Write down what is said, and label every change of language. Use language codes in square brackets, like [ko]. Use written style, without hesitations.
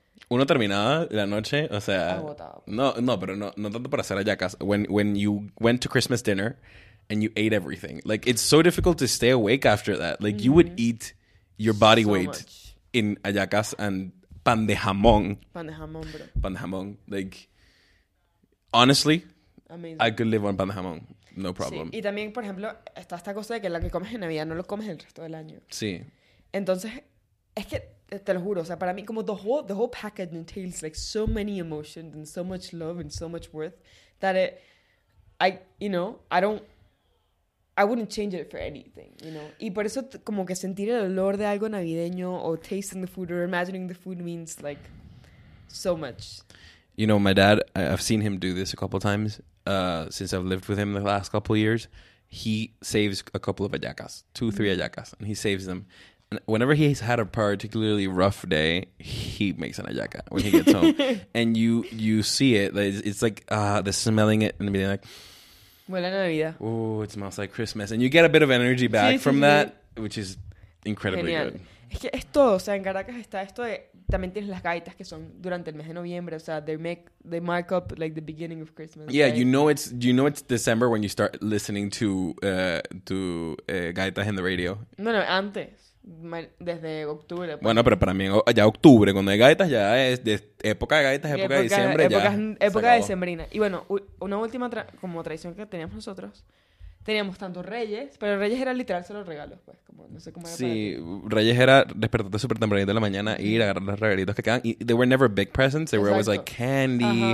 [es] Uno terminaba la noche, o sea, no tanto para hacer hallacas. [en] When you went to Christmas dinner and you ate everything, like, it's so difficult to stay awake after that. Like, mm-hmm. You would eat your body so weight much. In hallacas and pan de jamón. Pan de jamón, bro. Pan de jamón. Like, honestly, amazing. I could live on pan de jamón. No problem. [es] Sí. Y también, por ejemplo, está esta cosa de que lo que comes en Navidad no lo comes el resto del año. Sí. Entonces, es que... Te lo juro, o sea, para mí como [en] the whole package entails like so many emotions and so much love and so much worth that I wouldn't change it for anything, you know. [es] Y por eso como que sentir el olor de algo navideño o [en] tasting the food or imagining the food means like so much. You know, my dad, I've seen him do this a couple times since I've lived with him the last couple of years. He saves a couple of hallacas, 2-3 hallacas, and he saves them. Whenever he's had a particularly rough day, he makes an hallaca when he gets home. And you see it. It's like the smelling it and being like... [es] Buena Navidad. [en] Oh, it smells like Christmas. And you get a bit of energy back from that, which is incredibly [es] genial. [en] Good. [es] Es que es todo. O sea, en Caracas está esto de... También tienes las gaitas que son durante el mes de noviembre. O sea, [en] they mark up like the beginning of Christmas. Yeah, right? you know it's December when you start listening to gaitas in the radio. [es] No, antes. Desde octubre. Pues. Bueno, pero para mí ya octubre, cuando hay gaitas, ya es de época de gaitas, época de diciembre, época decembrina. Y bueno, una última como tradición que teníamos nosotros, teníamos tanto Reyes, pero Reyes era literal solo regalos, pues, como no sé cómo era. Sí, Reyes era despertarte súper tempranito en la mañana y ir a agarrar los regalitos que quedan. Y [en] they were never big presents, they were always like candy,